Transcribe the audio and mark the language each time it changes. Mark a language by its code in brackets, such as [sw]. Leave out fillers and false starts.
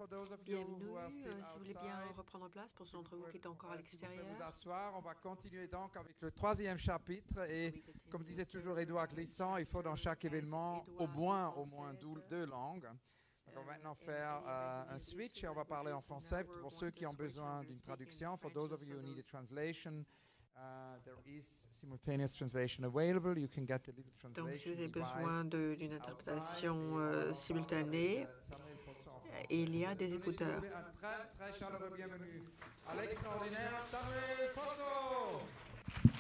[fr] Bienvenue, si vous voulez bien reprendre place pour ceux d'entre vous qui sont encore à l'extérieur. Vous asseoir. On va continuer donc avec le troisième chapitre et comme disait toujours Edouard Glissant, il faut dans chaque événement au moins deux langues. Donc on va maintenant faire un switch et on va parler en français pour ceux qui ont besoin d'une traduction. [en] For those of you who need a translation, there is simultaneous translation available. You can get the little translation. [fr] Donc si vous avez besoin d'une interprétation simultanée, il y a des écouteurs. Un très très chaleureux bienvenue à l'extraordinaire Samuel Fosso.